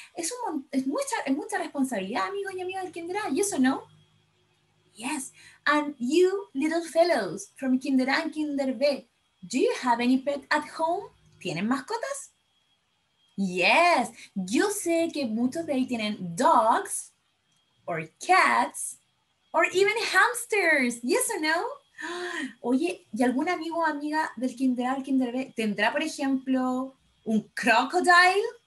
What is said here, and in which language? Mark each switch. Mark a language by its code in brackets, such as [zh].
[es] Es mucha responsabilidad, amigo y amiga del Kinder A, y eso no. [en] Yes. And you, little fellows from Kinder A and Kinder B, do you have any pet at home? [es] ¿Tienen mascotas? [en] Yes, [es] yo sé que muchos de ahí tienen [en] dogs, or cats, or even hamsters. Yes or no? [es] Oye, ¿y algún amigo o amiga del Kinder A, el Kinder B, tendrá, por ejemplo, un crocodile?